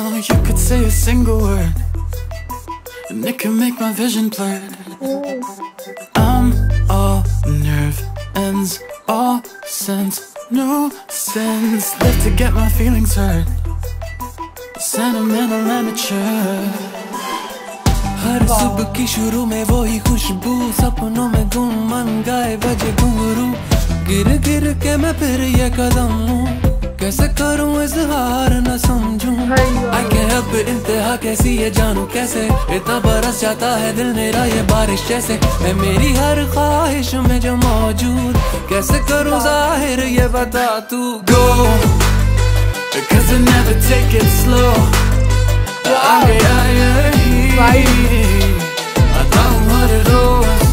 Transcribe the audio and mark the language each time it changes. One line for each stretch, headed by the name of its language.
English: You could say a single word and it could make my vision blurred. I'm all nerve ends, all sense, no sense left to get my feelings hurt. Sentimental amateur.
Hindi: हर सुबह की शुरू में वो ही खुशबू, सपनों में गुम मन गाए बजे घुंघरू, गिर गिर के मैं फिर ये कदम लूं, कैसे करूं इजहार न समझूं. आई के अब इंतहा कैसी ये जानू कैसे, इतना बरस जाता है दिल मेरा ये बारिश जैसे, मैं मेरी हर ख्वाहिश में जो मौजूद, कैसे करूं जाहिर ये बता तू.
English: Go, cause I never take it slow.
Hindi: आगे आगे
English: I don't want it all.